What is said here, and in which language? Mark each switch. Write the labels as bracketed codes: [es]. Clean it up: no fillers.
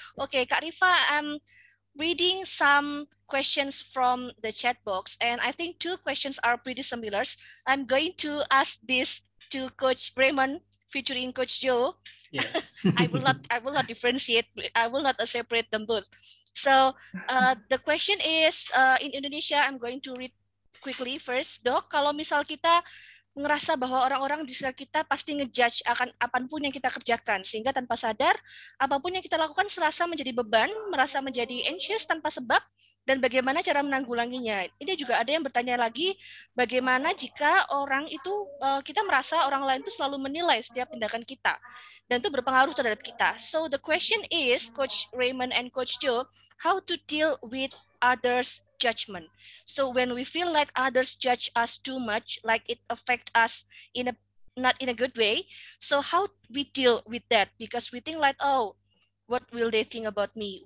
[en] Okay, Kak Rifa, I'm reading some questions from the chat box, and I think two questions are pretty similar. I'm going to ask this to Coach Raymond, featuring Coach Joe. Yes. I will not differentiate. I will not separate them both. So the question is, in Indonesia, I'm going to read quickly first. [id] Dok, kalau misal kita ngerasa bahwa orang-orang di sekitar kita pasti ngejudge akan apapun yang kita kerjakan, sehingga tanpa sadar, apapun yang kita lakukan serasa menjadi beban, merasa menjadi anxious tanpa sebab, dan bagaimana cara menanggulanginya? Ini juga ada yang bertanya lagi, bagaimana jika orang itu, kita merasa orang lain itu selalu menilai setiap tindakan kita, dan itu berpengaruh terhadap kita. [en] So the question is, Coach Raymond and Coach Joe, how to deal with others' judgment? So when we feel like others judge us too much, like it affect us in a not in a good way, so how we deal with that? Because we think like, oh, what will they think about me?